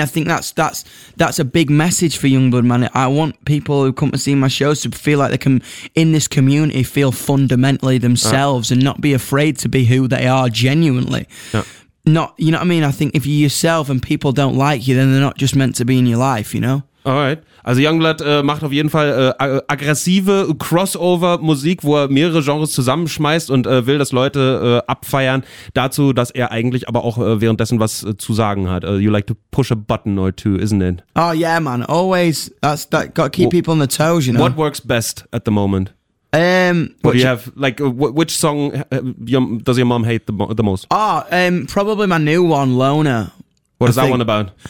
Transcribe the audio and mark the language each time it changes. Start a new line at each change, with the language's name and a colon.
English: I think that's a big message for Youngblood, man. I want people who come to see my shows to feel like they can, in this community, feel fundamentally themselves and not be afraid to be who they are genuinely. Yeah. Not, you know what I mean? I think if you're yourself and people don't like you, then they're not just meant to be in your life, you know? All right.
German: Also Youngblood macht auf jeden Fall aggressive Crossover-Musik, wo er mehrere Genres zusammenschmeißt und will, dass Leute abfeiern dazu, dass er eigentlich aber auch währenddessen was zu sagen hat.
English: You like to push a button or two, isn't it? Oh yeah, man. Always. That got to keep people on their toes, you know? What works best at the moment? Which song does your mom hate the most? Oh, probably my new one, Loner. What is that one about?